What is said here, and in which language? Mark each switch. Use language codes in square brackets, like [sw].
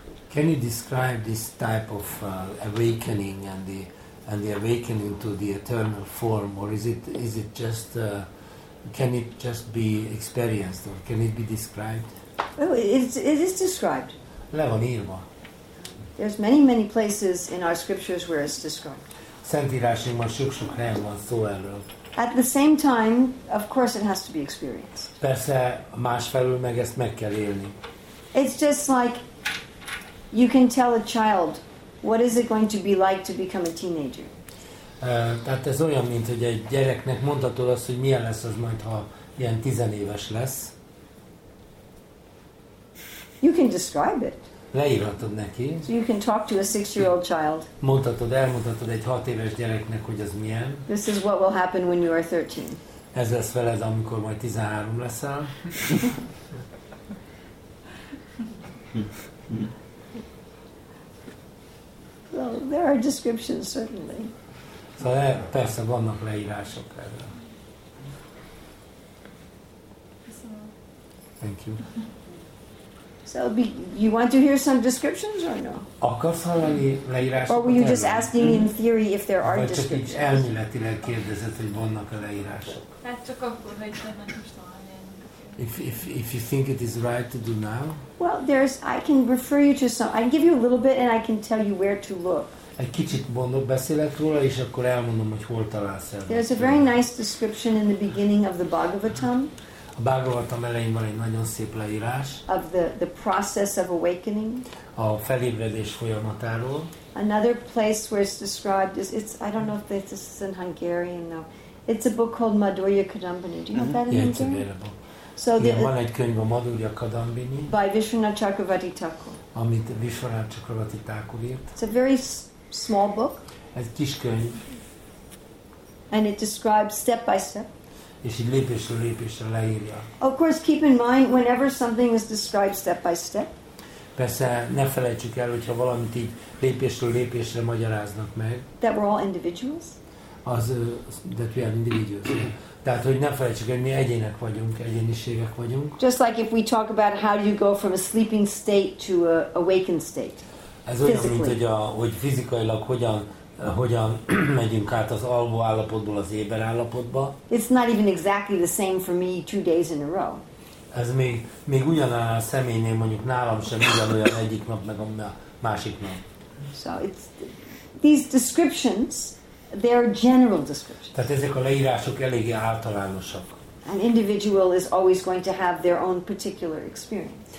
[en] Can you describe this type of awakening and the awakening to the eternal form, or is it just can it just be experienced, or can it be described? Well, it is described. [hu] Le van írva. [en] There's many places in our scriptures where it's described. [hu] Szentírásainkban sok helyen van szó erről. [en] At the same time, of course, it has to be experienced. [hu] Persze, másfelől meg ezt meg kell élni. [en] It's just like you can tell a child what is it going to be like to become a teenager. [hu] Tehát ez olyan, mint hogy egy gyereknek mondhatod azt, hogy milyen lesz az majd, ha ilyen tizenéves lesz. [en] You can describe it. [hu] Leírhatod neki. [en] So you can talk to a 6-year-old child. [hu] Mondhatod, elmondhatod egy 6 éves gyereknek, hogy az milyen. [en] This is what will happen when you are 13. [hu] Ez lesz veled, amikor majd 13 leszel. [en] So there are descriptions, certainly. [hu] Szóval persze vannak leírások erről. [en] Thank you. So you want to hear some descriptions or no? [hu] Akarsz hallani leírásokat? [en] Or were you just asking in theory if there are descriptions? [hu] Vagy csak így elméletileg kérdezed, hogy vannak a leírások? Hát csak akkor, hogy nem tudom. [en] If you think it is right to do now? Well, there's. I can refer you to some. I can give you a little bit, and I can tell you where to look. [hu] Egy kicsit mondok, beszélek róla, és akkor elmondom, hogy hol találsz el. [en] There's a very nice description in the beginning of the Bhagavatam. [hu] A Bhagavatam elején van egy nagyon szép leírás. [en] Of the process of awakening. [hu] A felébredés folyamatáról. [en] Another place where it's described is it's. I don't know if this is in Hungarian though. It's a book called Madhurya Kadambini. Do you know that in Hungarian? So the, [hu] van egy könyv, a Madhurya Kadambini, [en] by Vishwanath Chakravarti Thakur. [hu] Amit Vishwanath Chakravarti Thakur írt. [en] It's a very small book. [hu] Egy kis könyv. [en] And it describes step by step. [hu] És így lépésről lépésre leírja. [en] Of course, keep in mind whenever something is described step by step. [hu] Persze ne felejtsük el, hogyha valamit így lépésről lépésre magyaráznak meg. [en] That we're all individuals. Az, that we are individuals. [hu] Tehát, hogy ne felejtsük, hogy mi egyének vagyunk, egyéniségek vagyunk. [en] Just like if we talk about how do you go from a sleeping state to a awakened state. [hu] Ez olyan, mint hogy, hogy fizikailag hogyan megyünk át az alvó állapotból az éber állapotba. [en] It's not even exactly the same for me 2 days in a row. [hu] Ez még ugyanáll a személynél, mondjuk nálam sem ugyanolyan egyik nap, meg a másik nap. [en] So it's these descriptions. They are general descriptions. [hu] Tehát ezek a leírások eléggé általánosak. [en] An individual is always going to have their own particular experience.